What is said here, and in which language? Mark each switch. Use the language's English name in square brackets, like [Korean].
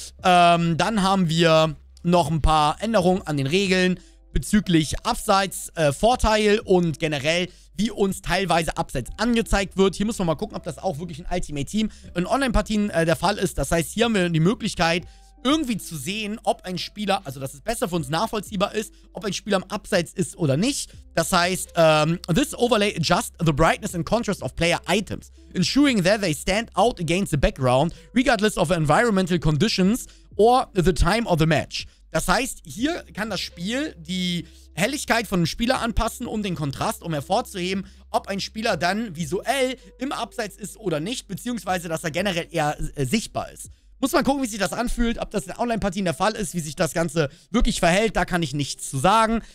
[German] Dann haben wir noch ein paar Änderungen an den Regeln bezüglich Abseits, Vorteil und generell, wie uns teilweise Abseits angezeigt wird. Hier müssen wir mal gucken, ob das auch wirklich ein Ultimate Team in Online-Partien der Fall ist. Das heißt, hier haben wir die Möglichkeit, irgendwie zu sehen, ob ein Spieler, also dass es besser für uns nachvollziehbar ist, ob ein Spieler am Abseits ist oder nicht. Das heißt, [English] this overlay adjusts the brightness and contrast of player items, ensuring that they stand out against the background, regardless of environmental conditions or the time of the match. [German] Das heißt, hier kann das Spiel die Helligkeit von einem Spieler anpassen, um den Kontrast, um hervorzuheben, ob ein Spieler dann visuell im Abseits ist oder nicht, beziehungsweise dass er generell eher sichtbar ist. Muss man gucken, wie sich das anfühlt, ob das in Online-Partien der Fall ist, wie sich das Ganze wirklich verhält, da kann ich nichts zu sagen.